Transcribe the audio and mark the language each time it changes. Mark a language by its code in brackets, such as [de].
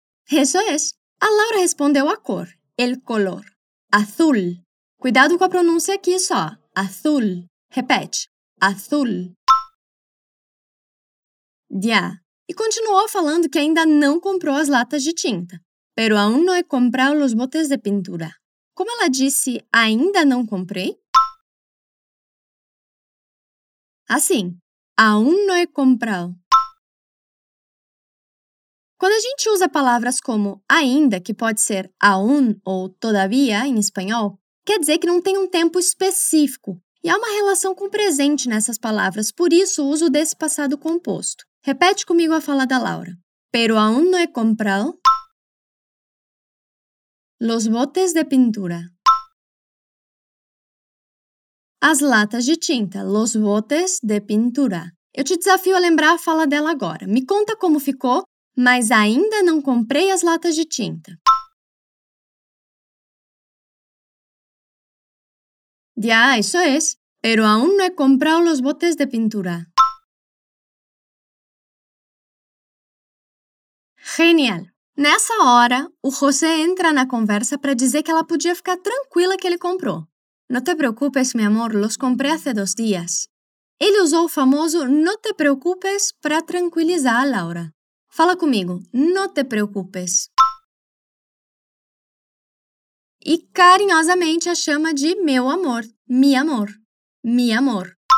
[pt] Isso é. A Laura respondeu a cor, el color, azul. Cuidado com a pronúncia aqui só, azul. Repete, azul. Dia. E continuou falando que ainda não comprou as latas de tinta. [es] Pero aún no he comprado los botes de pintura. [pt] Como ela disse, ainda não comprei? Assim, aún no he comprado. Quando a gente usa palavras como ainda, que pode ser aún ou todavía em espanhol, quer dizer que não tem um tempo específico. E há uma relação com o presente nessas palavras, por isso o uso desse passado composto. Repete comigo a fala da Laura. [es] Pero aún no he comprado los botes de pintura. [pt] As latas de tinta, [es] los botes de pintura. [pt] Eu te desafio a lembrar a fala dela agora. Me conta como ficou, mas ainda não comprei as latas de tinta. [es] Ya, eso es. Pero aún no he comprado los botes de pintura. Genial! [pt] Nessa hora, o José entra na conversa para dizer que ela podia ficar tranquila que ele comprou. [es] No te preocupes, mi amor, los compré hace dos días. [pt] Ele usou o famoso no te preocupes para tranquilizar a Laura. Fala comigo, [es] no te preocupes. [pt] E carinhosamente a chama de meu amor, [es] mi amor. Mi amor.